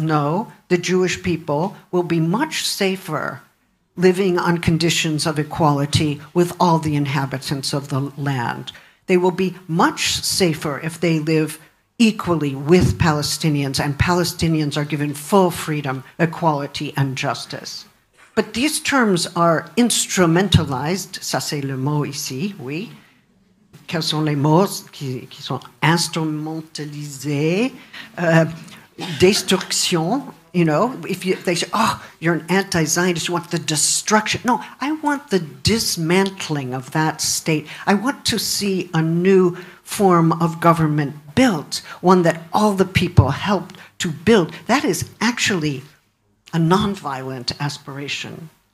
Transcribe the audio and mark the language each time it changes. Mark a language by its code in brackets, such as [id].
[en] No, the Jewish people will be much safer living on conditions of equality with all the inhabitants of the land. They will be much safer if they live equally with Palestinians, and Palestinians are given full freedom, equality, and justice. But these terms are instrumentalized, [fr] ça c'est le mot ici, oui, quels sont les mots qui sont instrumentalisés, destruction. [en] You know, they say, oh, you're an anti-Zionist, you want the destruction. No, I want the dismantling of that state. I want to see a new form of government built, one that all the people helped to build. That is actually a nonviolent aspiration.